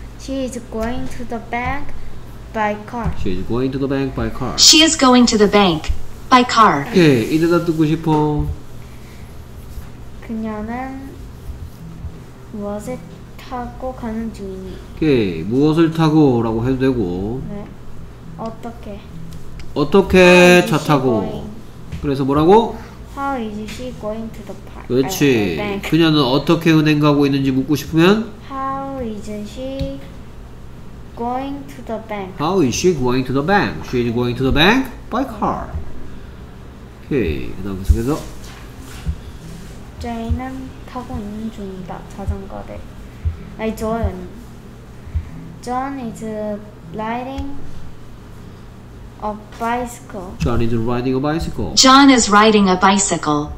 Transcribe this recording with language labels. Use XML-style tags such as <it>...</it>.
<en>She is going to the bank by car. She is going to the bank by car. She is going to the bank by car.</en> <ko>오케이. 이대다 듣고 싶어. 그녀는 무엇을 타고 가는 중이니? 오케이. 무엇을 타고 라고 해도 되고. 네. 어떻게? 어떻게 차 타고? Going. 그래서 뭐라고?</ko> <en>How is she going to the park?</en> <ko>그렇지. 그녀는 어떻게 은행 가고 있는지 묻고 싶으면?</ko> <en>How is she going to the bank? How is she going to the bank? She is going to the bank by car.</en> <ko>오케이. 그 다음 계속해서. 제이는 타고 있는 중이다. 자전거를. 아니, 존.</ko> <en>John is riding a bicycle. John is riding a bicycle. John is riding a bicycle.</en>